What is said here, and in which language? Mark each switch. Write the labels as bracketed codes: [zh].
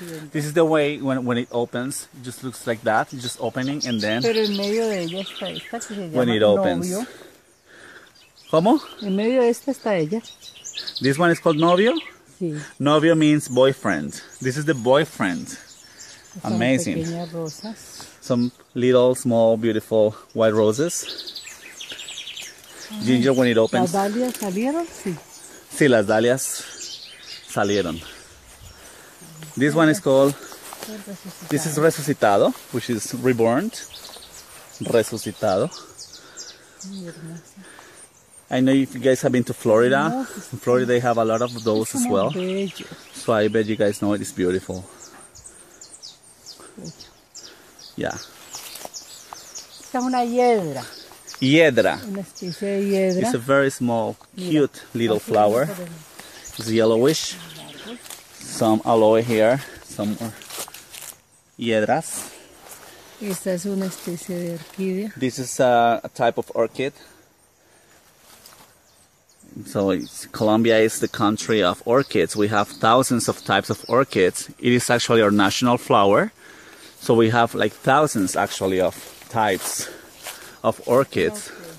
[en] This is the way when it opens, it just looks like that, just opening and then. [es] Pero en medio de ella está esta que se llama [en] when it opens. [es] Novio. ¿Cómo? En medio de esta está ella. [en] This one is called novio? [es] Sí. [en] Novio means boyfriend. This is the boyfriend. [es] Son [en] amazing. [es] Pequeñas rosas. [en] Some little, small, beautiful white roses. Ginger, when it opens. [es] Las dahlias salieron, sí. Sí, las dahlias salieron. [en] This one is called, this is resucitado, which is reborn. Resucitado. I know if you guys have been to Florida. In Florida, they have a lot of those as well. So I bet you guys know it is beautiful. Yeah. [es] Esta es una hiedra. Hiedra. Una especie de hiedra. [en] It's a very small, cute [es] Mira. [en] Little [es] Así [en] flower. It's yellowish. Some aloe here. Some hiedras. [es] Esta es una especie de orquídea. [en] This is a type of orchid. So it's, Colombia is the country of orchids. We have thousands of types of orchids. It is actually our national flower. So we have like thousands actually of types of orchids.